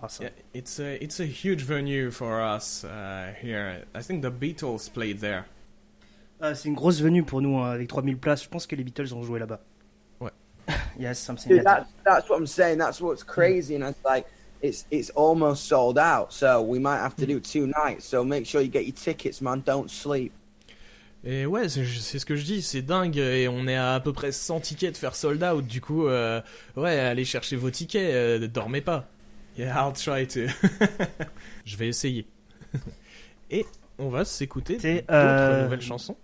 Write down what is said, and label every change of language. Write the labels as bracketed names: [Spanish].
[English] Yeah, it's a huge venue for us here. I think the Beatles played there. [French] C'est une grosse venue pour nous, avec 3000 places. Je pense que les Beatles ont joué là-bas. Ouais. [English] Yes, I'm saying that. That's what I'm saying, that's what's crazy, and it's like... It's almost sold out, so we might have to do two nights. So make sure you get your tickets, man. Don't sleep. [French] Et ouais, c'est ce que je dis, c'est dingue. Et on est à peu près 100 tickets de faire sold out. Du coup, ouais, allez chercher vos tickets. Dormez pas. [English] Yeah, I'll try to. [French] Je vais essayer. Et on va s'écouter d'autres nouvelles chansons.